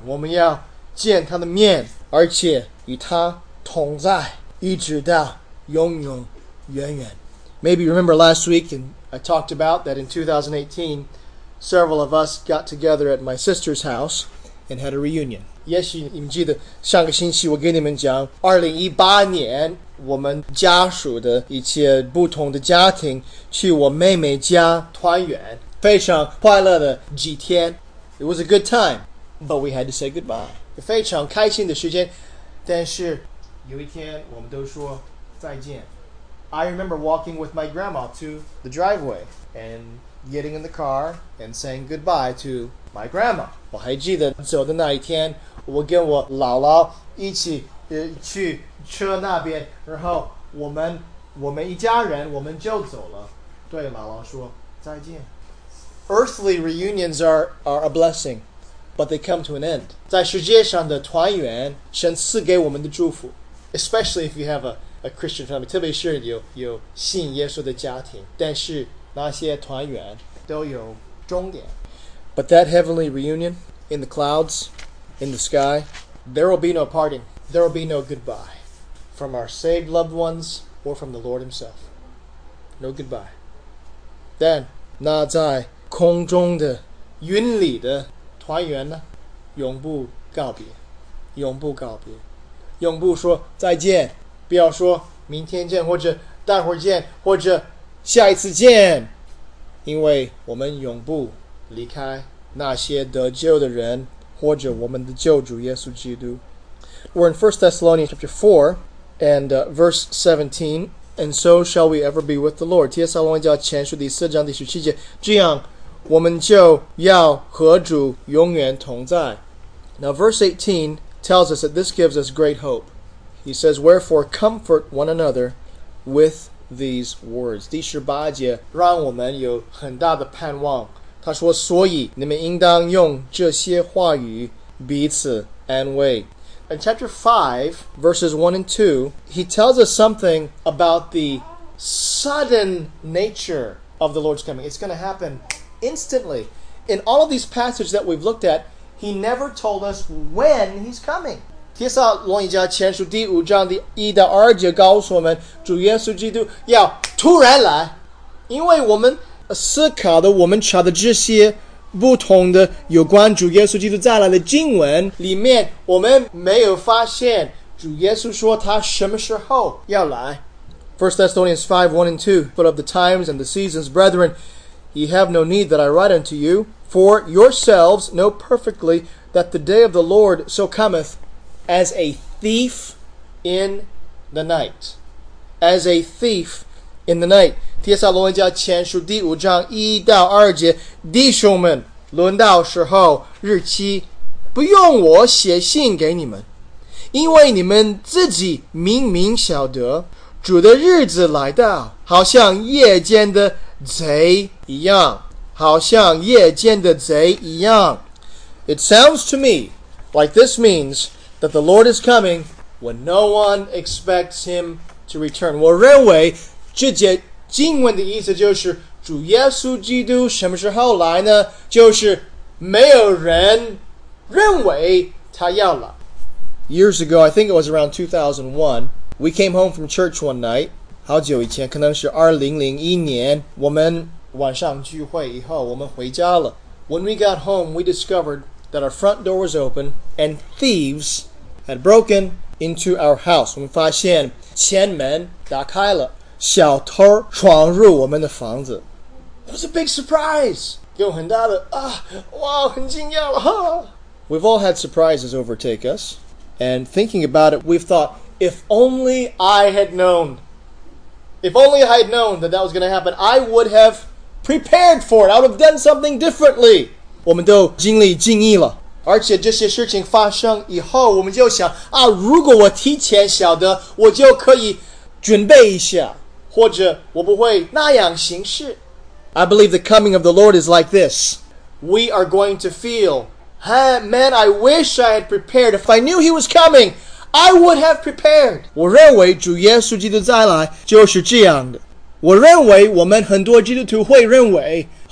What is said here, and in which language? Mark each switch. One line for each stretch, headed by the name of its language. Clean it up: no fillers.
Chinese: 我们要见他的面，而且与他同在，一直到永永远远。
English: Maybe you remember last week and I talked about that in 2018, several of us got together at my sister's house and had a reunion.
Chinese: 也许你们记得上个星期我跟你们讲2018年我们家属的一些不同的家庭去我妹妹家团圆，非常快乐的几天。
English: It was a good time, but we had to say goodbye.
Chinese: 非常开心的时间，但是有一天我们都说再见。
English: I remember walking with my grandma to the driveway and getting in the car and saying goodbye to my grandma.
Chinese: 我还记得走的那一天我跟我姥姥一起去车那边，然后我们一家人我们就走了，对姥姥说再见。
English: Earthly reunions are a blessing, but they come to an end.
Chinese: 在世界上的团圆，神赐给我们的祝福，
English: especially if you have a Christian family,
Chinese: 特别是有信耶稣的家庭，但是那些团圆都有终点。
English: But that heavenly reunion in the clouds,in the sky, there will be no parting. There will be no goodbye from our saved loved ones or from the Lord himself. No goodbye.
Chinese: 但那在空中的云里的团圆呢，永不告别，永不告别，永不说再见，不要说明天见或者待会儿见或者下一次见，因为我们永不离开那些得救的人或者我们的救主耶稣基督。
English: We're in 1 Thessalonians chapter 4 and verse 17, and so shall we ever be with the Lord.
Chinese: 帖撒罗尼迦前书第四章第十七节，这样我们就要和主永远同在。
English: Now verse 18 tells us that this gives us great hope. He says, wherefore comfort one another with these words.
Chinese: 第十八节让我们有很大的盼望，他说所以你们应当用这些话语彼此安慰。
English: In chapter 5 verses 1 and 2 he tells us something about the sudden nature of the Lord's coming. It's going to happen instantly. In all of these passages that we've looked at, he never told us when he's coming.
Chinese: 帖撒罗尼迦前书第五章第一到二节告诉我们主耶稣基督要突然来，因为我们思考的我们查的这些不同的有关主耶稣基督再来的经文里面，我们没有发现主耶稣说他什么时候要来。
English: 1 Thessalonians 5, 1 and 2 full of the times and the seasons, brethren, ye have no need that I write unto you, for yourselves know perfectly that the day of the Lord so cometh as a thief in the night. As a thief in the night.
Chinese: 帖撒罗尼迦前书第五章一到二节，弟兄们，轮到时候日期不用我写信给你们，因为你们自己明明晓得主的日子来到好像夜间的贼一样，好像夜间的贼一样。
English: It sounds to me like this means that the Lord is coming when no one expects him to return.
Chinese: 我认为这节经文的意思就是主耶稣基督什么时候来呢，就是没有人认为他要来。
English: Years ago, I think it was around 2001, we came home from church one night.
Chinese: 好久以前，可能是2001年，我们晚上聚会以后我们回家了。
English: When we got home, we discovered that our front door was open and thieves had broken into our house.
Chinese: 我们发现前门打开了，小偷闯入我们的房子。
English: It was a big surprise.
Chinese: 有很大的啊，哇，很惊讶了。
English: We've all had surprises overtake us. And thinking about it, we've thought, If only I had known. If only I had known that that was going to happen, I would have prepared for it. I would have done something differently.
Chinese: 我们都经历敬意了。而且这些事情发生以后，我们就想啊，如果我提前晓得，我就可以准备一下，或者我不会那样行事。I
English: believe the coming of the Lord is like this. We are going to feel, hey, man, I wish I had prepared. If I knew He was coming, I would have prepared.
Chinese: 我认为主耶稣基督再来就是这样的。我认为我们很多基督徒会认为。